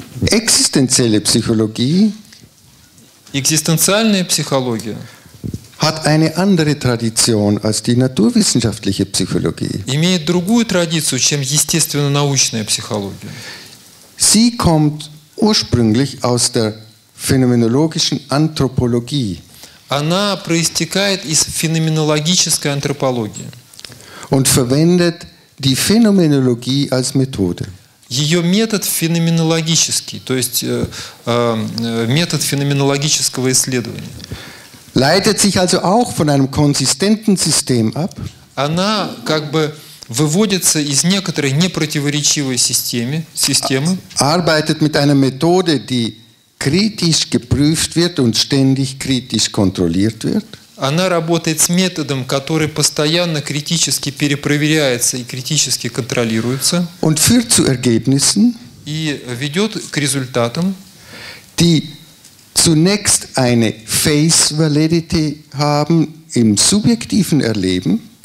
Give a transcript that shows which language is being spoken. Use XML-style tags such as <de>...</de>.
<ru>Экзистенциальная психология, экзистенциальная психология</ru> <de>hat eine andere Tradition als die naturwissenschaftliche Psychologie.</de> <ru>Имеет другую традицию, чем естественно-научная психология.</ru> <de>Sie kommt ursprünglich aus der phänomenologischen Anthropologie.</de> <ru>Она проистекает из феноменологической антропологии.</ru> <de>Und verwendet die Phänomenologie als Methode.</de> <ru>Ее метод феноменологический, то есть метод феноменологического исследования.</ru> <de>Leitet sich also auch von einem konsistenten System ab?</de> <ru>Она как бы выводится из некоторой непротиворечивой системы.</ru> <de>Arbeitet mit einer Methode, die kritisch geprüft wird und ständig kritisch kontrolliert wird.</de> <ru>Она работает с методом, который постоянно критически перепроверяется и критически контролируется.</ru> <de>Und führt zu Ergebnissen,</de> <ru>и ведет к результатам,</ru> <de>die zunächst eine face validity haben im subjektiven Erleben.</de>